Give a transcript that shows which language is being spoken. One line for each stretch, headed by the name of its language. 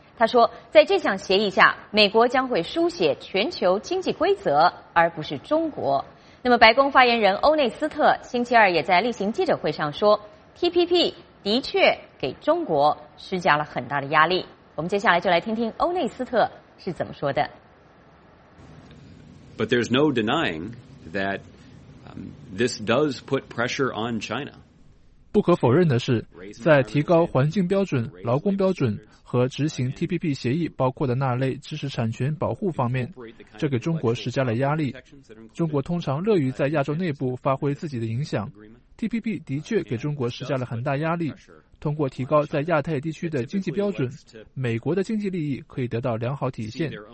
Chinese: 他说，在这项协议下，美国将会书写全球经济规则，而不是中国。那么白宫发言人欧内斯特星期二也在例行记者会上说， TPP 的确给中国施加了很大的压力。我们接下来就来听听欧内斯特是怎么说的。
English: But there's no denying that this does put pressure on China.
Chinese: 不可否认的是，在提高环境标准、劳工标准和执行 TPP 协议包括的那类知识产权保护方面，这给中国施加了压力。中国通常乐于在亚洲内部发挥自己的影响。TPP 的确给中国施加了很大压力，通过提高在亚太地区的经济标准，美国的经济利益可以得到良好体现。